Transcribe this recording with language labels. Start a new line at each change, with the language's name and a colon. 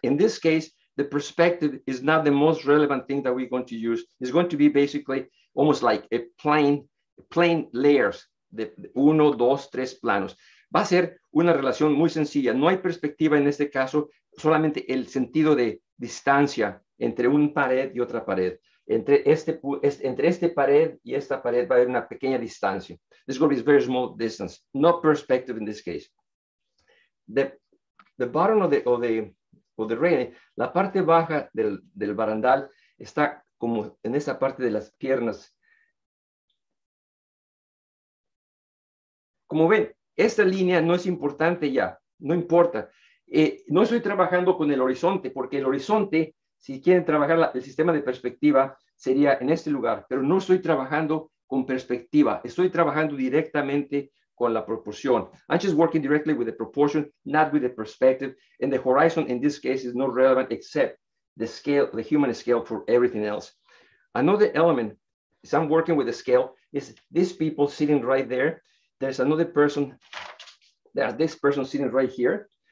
English: In this case, the perspective is not the most relevant thing that we're going to use. It's going to be basically almost like a plane layers, the
Spanish: uno, dos, tres planos. Va a ser una relación muy sencilla. No hay perspectiva en este caso, solamente el sentido de distancia entre una pared y otra pared. Entre este pared y esta pared va a haber una pequeña distancia.
English: This is going to be a very small distance. No perspective in this case. The bottom of the railing,
Spanish: la parte baja del barandal está como en esa parte de las piernas. Como ven, esta línea no es importante ya, no importa. No estoy trabajando con el horizonte, porque el horizonte, si quieren trabajar el sistema de perspectiva, sería en este lugar, pero no estoy trabajando con perspectiva, estoy trabajando directamente con la proporción.
English: I'm just working directly with the proportion, not with the perspective. And the horizon in this case is not relevant except the scale, the human scale for everything else. Another element, as I'm working with the scale, is these people sitting right there. There's another person, there's this person sitting right here.